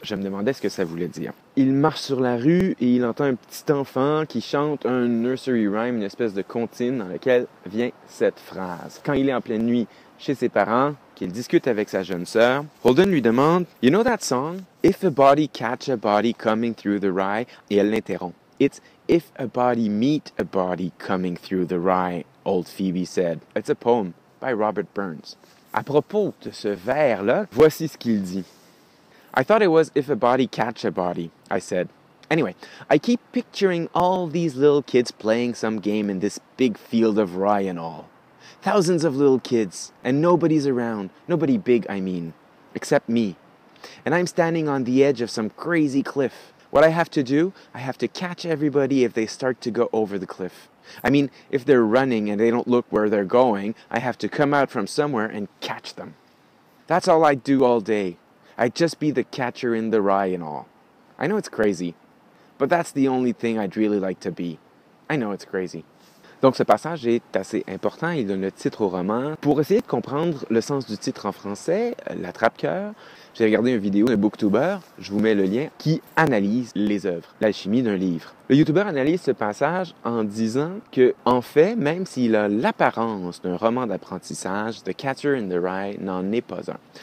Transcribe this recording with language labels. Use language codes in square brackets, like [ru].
[fr] Je me demandais ce que ça voulait dire. Il marche sur la rue et il entend un petit enfant qui chante un nursery rhyme, une espèce de comptine dans laquelle vient cette phrase. Quand il est en pleine nuit chez ses parents, qu'il discute avec sa jeune sœur, Holden lui demande « [en] You know that song? If a body catch a body coming through the rye » [fr] et elle l'interrompt. [en] « It's if a body meet a body coming through the rye, old Phoebe said. It's a poem by Robert Burns. [fr] » À propos de ce vers-là, voici ce qu'il dit. [en] « I thought it was if a body catch a body, I said. Anyway, I keep picturing all these little kids playing some game in this big field of rye and all. Thousands of little kids, and nobody's around. Nobody big, I mean. Except me. And I'm standing on the edge of some crazy cliff. What I have to do, I have to catch everybody if they start to go over the cliff. I mean, if they're running and they don't look where they're going, I have to come out from somewhere and catch them. That's all I'd do all day. I'd just be the catcher in the rye and all. I know it's crazy, but that's the only thing I'd really like to be. I know it's crazy. [fr] » Donc ce passage est assez important, il donne le titre au roman. Pour essayer de comprendre le sens du titre en français, l'attrape-cœur, j'ai regardé une vidéo d'un booktuber, je vous mets le lien, qui analyse les œuvres, l'alchimie d'un livre. Le youtuber analyse ce passage en disant que, en fait, même s'il a l'apparence d'un roman d'apprentissage, The Catcher in the Rye n'en est pas un.